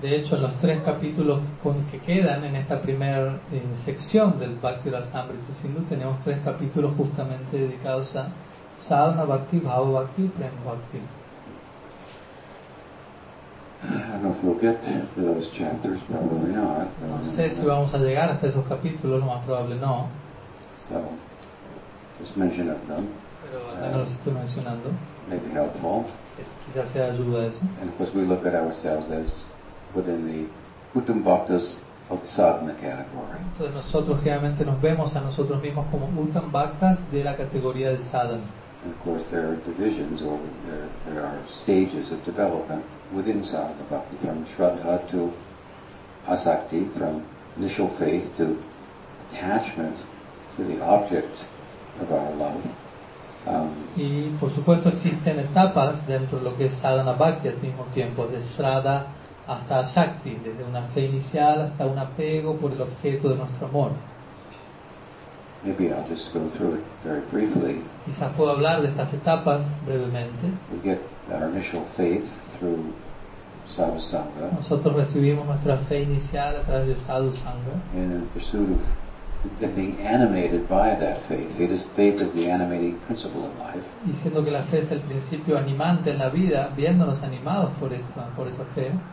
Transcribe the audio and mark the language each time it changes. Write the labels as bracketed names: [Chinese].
[Spanish] De hecho, los tres capítulos que quedan en esta primera sección del Bhakti-rasamrita-sindhu, tenemos tres capítulos justamente dedicados a Sadhana Bhakti, Bhava Bhakti, Prem Bhakti. [English] I don't know if we'll get to those chapters, probably not. [Spanish] No sé si vamos a llegar hasta esos capítulos, lo más probable no. [English] So, just mention of them. [Spanish] Pero al menos los estoy mencionando. [English] Maybe helpful. [Spanish] Quizás sea ayuda eso. [English] And of course we look at ourselves as within the Uttam Bhaktas of the Sadhana category. [Spanish] Entonces nosotros generalmente nos vemos a nosotros mismos como Uttam Bhaktas de la categoría de Sadhana. [English] And of course there are divisions or there are stages of development within Sadhana Bhakti, from Shraddha to Asakti, from initial faith to attachment to the object of our love. [Spanish] Y por supuesto existen etapas dentro de lo que es Sadhana Bhakti al mismo tiempo, de Shraddha hasta Shakti, desde una fe inicial hasta un apego por el objeto de nuestro amor. [English] Maybe I'll just go through it very briefly. [Spanish] Quizás puedo hablar de estas etapas brevemente. [English] We get our initial faith through Sadhu Sangha. [Spanish] Nosotros recibimos nuestra fe inicial a través de Sadhu Sangha. [English] And being animated by that faith. Faith is the animating principle in life. [Spanish] Y siendo que la fe es el principio animante en la vida, viéndonos animados por esa fe.